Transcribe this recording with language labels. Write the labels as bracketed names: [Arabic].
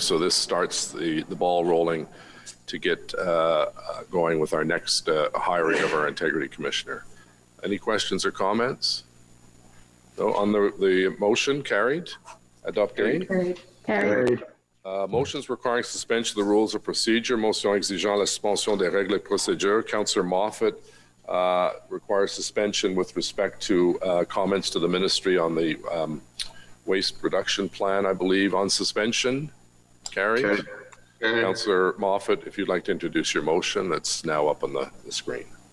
[English] So this starts the ball rolling to get going with our next hiring of our integrity commissioner. Any questions or comments? No, on the motion carried, adopt A. Carried. Motions requiring suspension of the rules of procedure. [French] Motion exigeant la suspension des règles de procédure. [English] Councillor Moffat requires suspension with respect to comments to the ministry on the waste reduction plan, I believe. On suspension, carried. Okay. Councillor Moffat, if you'd like to introduce your motion, that's now up on the screen.